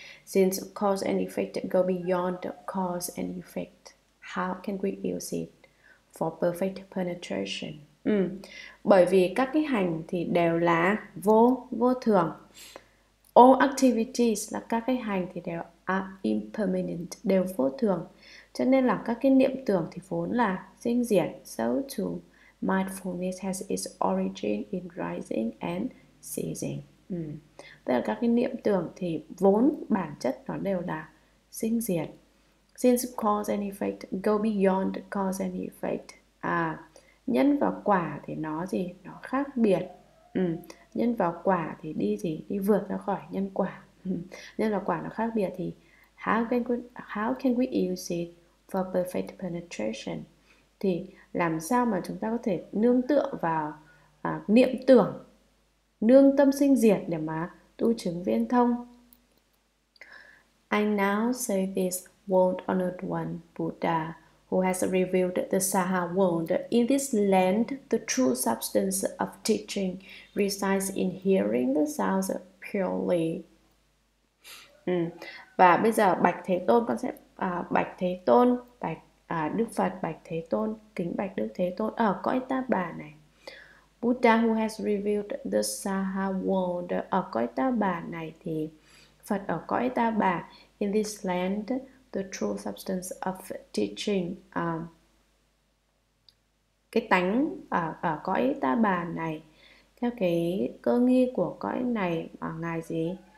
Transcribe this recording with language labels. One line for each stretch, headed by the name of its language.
English: Since cause and effect go beyond cause and effect, how can we use it for perfect penetration?
Vietnamese: Bởi vì các cái hành thì đều là vô thường.
English: All activities
Vietnamese: là các cái hành thì đều
English: are impermanent,
Vietnamese: đều vô thường. Cho nên là các cái niệm tưởng thì vốn là sinh diệt.
English: So too, mindfulness has its origin in rising and ceasing.
Vietnamese: Tức là các cái niệm tưởng thì vốn bản chất nó đều là sinh diệt.
English: Since cause and effect go beyond cause and effect.
Vietnamese: Nhân và quả thì nó gì? Nó khác biệt. Nhân và quả thì đi gì? Đi vượt ra khỏi nhân quả. Nhân và quả nó khác biệt thì
English: how can we use it for perfect penetration?
Vietnamese: Thì làm sao mà chúng ta có thể nương tựa vào niệm tưởng, nương tâm sinh diệt để mà tu chứng viên thông?
English: I now say this world-honored one, Buddha, who has revealed the Saha world. In this land, the true substance of teaching resides in hearing the sounds purely.
Vietnamese: Và bây giờ Bạch Thế Tôn, con sẽ Bạch Thế Tôn, Bạch Đức Phật, Bạch Thế Tôn, kính Bạch Đức Thế Tôn ở cõi Ta Bà này.
English: Buddha who has revealed the Saha world
Vietnamese: ở cõi Ta Bà này, thì Phật ở cõi Ta Bà,
English: in this land, the true substance of teaching,
Vietnamese: cái tánh ở cõi Ta Bà này, theo cái cơ nghi của cõi này, ngài gì?